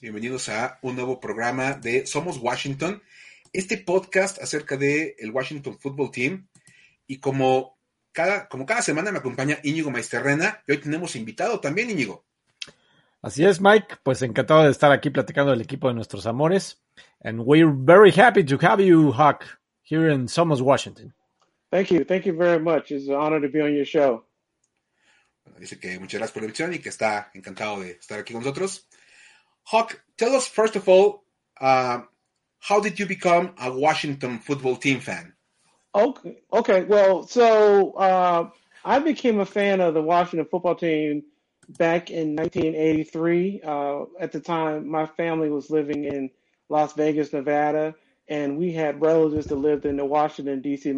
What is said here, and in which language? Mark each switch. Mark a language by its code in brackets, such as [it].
[es] Bienvenidos a un nuevo programa de Somos Washington. Este podcast acerca del Washington Football Team. Y como cada semana me acompaña Íñigo Maisterrena, y hoy tenemos invitado también, Íñigo. Así es, Mike. Pues encantado de estar aquí platicando del equipo de nuestros amores. [en] And we're very happy to have you, Huck, here in Somos, Washington. Thank you. Thank you very much. It's an honor to be on your show. [es] Dice que muchas gracias por la invitación y que está encantado de estar aquí con nosotros. [en] Huck, tell us, first of all, how did you become a Washington Football Team fan? Okay. Well, so I became a fan of the Washington Football Team back in 1983. At the time, my family was living in Las Vegas, Nevada, and we had relatives that lived in the Washington, D.C.